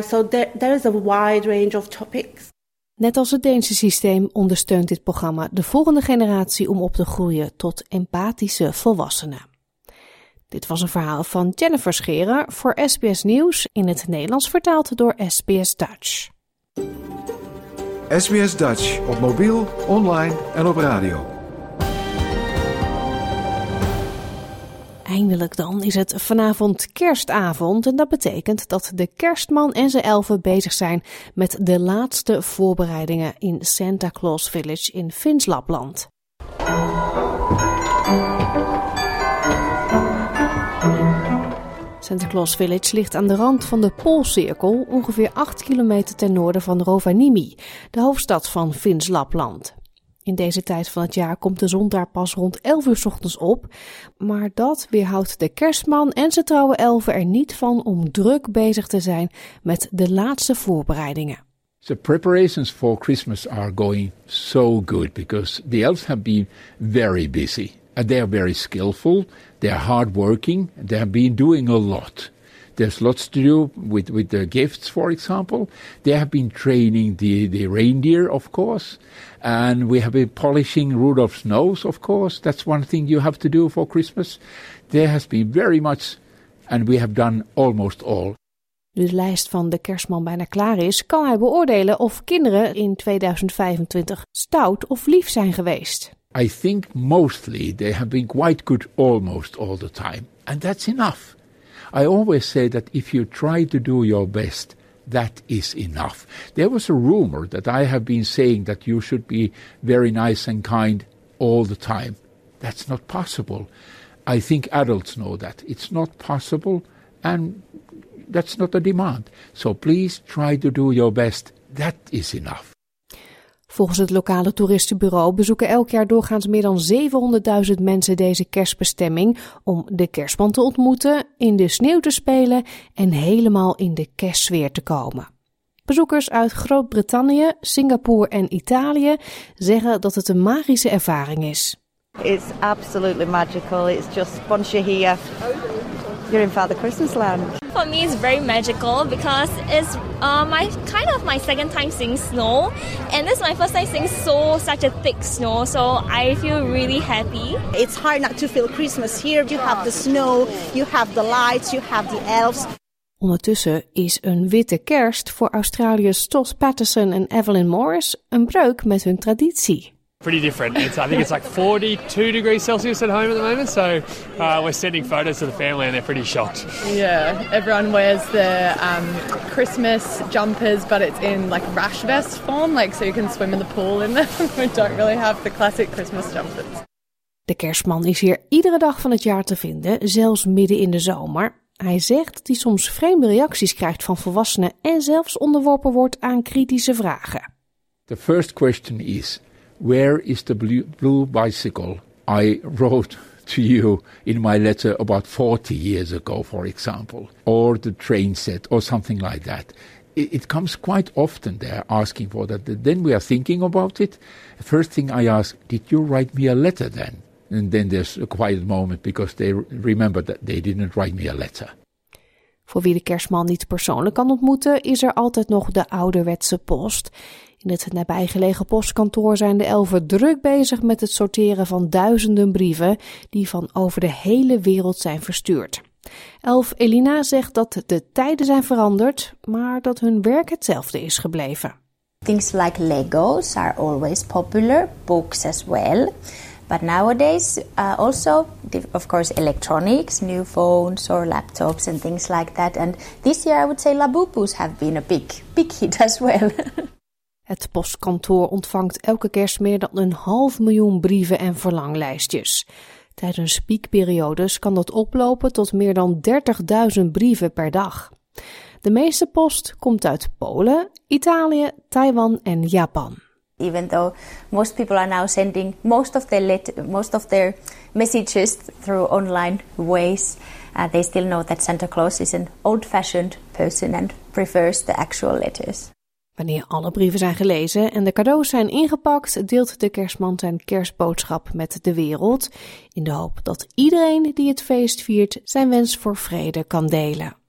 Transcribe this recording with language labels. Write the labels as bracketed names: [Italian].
[English] So there is a wide range of topics. [Dutch] Net als het Deense systeem ondersteunt dit programma de volgende generatie om op te groeien tot empathische volwassenen. Dit was een verhaal van Jennifer Scherer voor SBS Nieuws, in het Nederlands vertaald door SBS Dutch. SBS Dutch op mobiel, online en op radio. Eindelijk dan is het vanavond kerstavond en dat betekent dat de kerstman en zijn elfen bezig zijn met de laatste voorbereidingen in Santa Claus Village in Finnslapland. Santa Claus Village ligt aan de rand van de Poolcirkel, ongeveer 8 kilometer ten noorden van Rovaniemi, de hoofdstad van Finnslapland. In deze tijd van het jaar komt de zon daar pas rond 11 uur 's ochtends op, maar dat weerhoudt de kerstman en zijn trouwe elfen er niet van om druk bezig te zijn met de laatste voorbereidingen. [English] The preparations for Christmas are going so good because the elves have been very busy. They are very skillful, they are hardworking, they have been doing a lot. There's lots to do with the gifts, for example. They have been training the reindeer, of course. And we have been polishing Rudolph's nose, of course. That's one thing you have to do for Christmas. There has been very much, and we have done almost all. [Dutch] Nu de lijst van de kerstman bijna klaar is, kan hij beoordelen of kinderen in 2025 stout of lief zijn geweest. [English] I think mostly they have been quite good almost all the time. And that's enough. I always say that if you try to do your best, that is enough. There was a rumor that I have been saying that you should be very nice and kind all the time. That's not possible. I think adults know that. It's not possible, and that's not a demand. So please try to do your best. That is enough. [Dutch] Volgens het lokale toeristenbureau bezoeken elk jaar doorgaans meer dan 700.000 mensen deze kerstbestemming om de kerstman te ontmoeten, in de sneeuw te spelen en helemaal in de kerstsfeer te komen. Bezoekers uit Groot-Brittannië, Singapore en Italië zeggen dat het een magische ervaring is. [English] It's absolutely magical. It's just once you're here, you're in Father Christmas land. For me, it's very magical because it's my second time seeing snow, and this is my first time seeing such a thick snow. So I feel really happy. It's hard not to feel Christmas here. You have the snow, you have the lights, you have the elves. [Dutch] Ondertussen is een witte kerst voor Australiërs Stoss Patterson en Evelyn Morris een breuk met hun traditie. [English] Pretty different. I think it's like 42 degrees Celsius at home at the moment, so we're sending photos to the family and they're pretty shocked. Yeah, everyone wears their Christmas jumpers, but it's in like rash vest form, like so you can swim in the pool in them. We don't really have the classic Christmas jumpers. [Dutch] De kerstman is hier iedere dag van het jaar te vinden, zelfs midden in de zomer. Hij zegt dat hij soms vreemde reacties krijgt van volwassenen en zelfs onderworpen wordt aan kritische vragen. [English] The first question is, where is the blue bicycle I wrote to you in my letter about 40 years ago, for example, or the train set or something like that? It comes quite often there asking for that. Then we are thinking about it. The first thing I ask, did you write me a letter then? And then there's a quiet moment because they remember that they didn't write me a letter. [Dutch] Voor wie de kerstman niet persoonlijk kan ontmoeten, is er altijd nog de ouderwetse post. In het nabijgelegen postkantoor zijn de elfen druk bezig met het sorteren van duizenden brieven die van over de hele wereld zijn verstuurd. Elf Elina zegt dat de tijden zijn veranderd, maar dat hun werk hetzelfde is gebleven. [English] Things like Legos are always popular, books as well. But nowadays also, of course, electronics, new phones or laptops and things like that. And this year I would say Labubus have been a big hit as well. [Dutch] Het postkantoor ontvangt elke kerst meer dan 500.000 brieven en verlanglijstjes. Tijdens piekperiodes kan dat oplopen tot meer dan 30.000 brieven per dag. De meeste post komt uit Polen, Italië, Taiwan en Japan. [English] even though most people are now sending most of their messages through online ways, they still know that Santa Claus is an old-fashioned person and prefers the actual letters. [Dutch] Wanneer alle brieven zijn gelezen en de cadeaus zijn ingepakt, deelt de kerstman zijn kerstboodschap met de wereld, in de hoop dat iedereen die het feest viert zijn wens voor vrede kan delen.